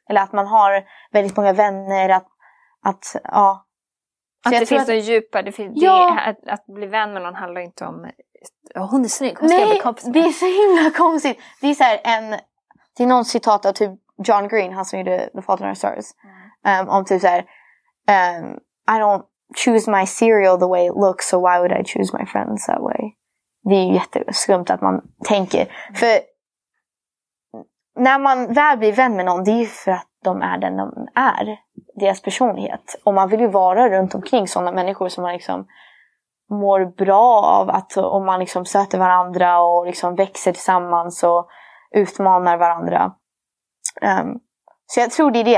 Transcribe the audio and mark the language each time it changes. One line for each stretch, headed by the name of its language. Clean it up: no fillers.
Swedish: Eller att man har väldigt många vänner, att ja. Att det finns en djupa, att bli vän med någon handlar inte om hon är snygg, hon ska bli kompis med. Det är så himla konstigt. Det är så här det är någon citat av typ John Green, han som gjorde The Fault in Our Stars. Om typ så här,
English: I don't choose my cereal the way it looks, so why would I choose my friends that way?
Swedish: Det är ju jätteskumt att man tänker. För när man väl blir vän med någon, det är ju för att de är den de är. Deras personlighet. Och man vill ju vara runt omkring sådana människor som man liksom mår bra av. Att om man liksom söter varandra och liksom växer tillsammans och utmanar varandra. Så jag tror det är det.